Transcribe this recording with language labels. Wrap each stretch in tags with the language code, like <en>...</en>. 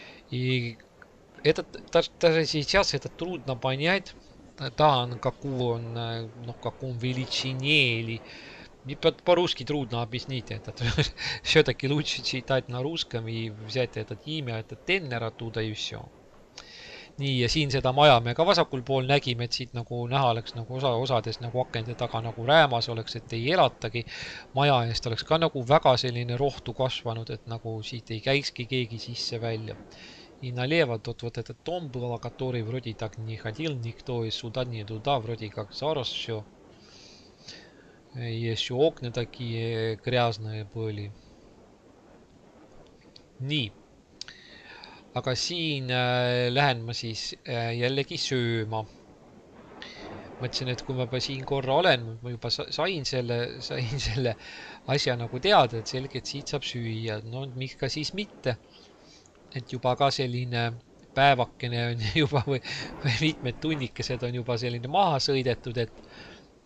<ru>И этот даже сейчас это трудно понять. Да, каком величине или по-русски трудно объяснить этот. Все-таки лучше читать на русском и взять этот имя, этот Теннер оттуда и все.</ru> <et>Nii, ja siin seda maja me ka vasakul pool nägime, et siit nagu näha oleks nagu osades nagu akende taga nagu räämas oleks, et ei elatagi maja eest oleks ka nagu väga selline rohtu kasvanud, et nagu siit ei käikski keegi sisse välja.</et> <ru>И налево тот вот этот дом был, который вроде так не ходил никто и сюда, не туда, вроде как зарос все. И еще окна такие грязные были.</ru> <et>Nii. Aga siin lähen ma siis jällegi sööma. Mõtlesin, et kui ma siin korra olen, ma juba sain selle asja nagu teada, et selgelt siit saab süüa. No, mikka siis mitte. Et juba ka selline päevakene on juba või mitmed tunnikesed on juba selline maha sõidetud, et</et>